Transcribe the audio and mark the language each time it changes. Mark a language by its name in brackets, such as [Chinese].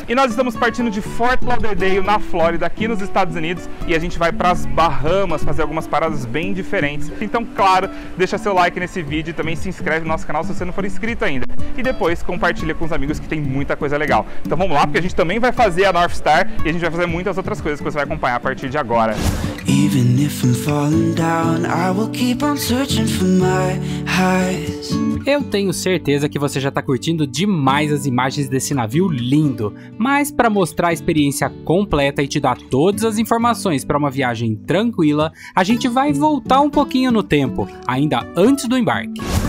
[Portuguese] E nós estamos partindo de Fort Lauderdale, na Flórida, aqui nos Estados Unidos, e a gente vai para as Bahamas fazer algumas paradas bem diferentes. Então, claro, deixa seu like nesse vídeo e também se inscreve no nosso canal se você não for inscrito ainda. E depois compartilha com os amigos que tem muita coisa legal. Então vamos lá, porque a gente também vai fazer a North Star e a gente vai fazer muitas outras coisas que você vai acompanhar a partir de agora. [English] Even if I'm falling down, I will keep on searching for my highs. [Portuguese] Eu tenho certeza que você já está curtindo demais as imagens desse navio lindo, mas para mostrar a experiência completa e te dar todas as informações para uma viagem tranquila, a gente vai voltar um pouquinho no tempo, ainda antes do embarque.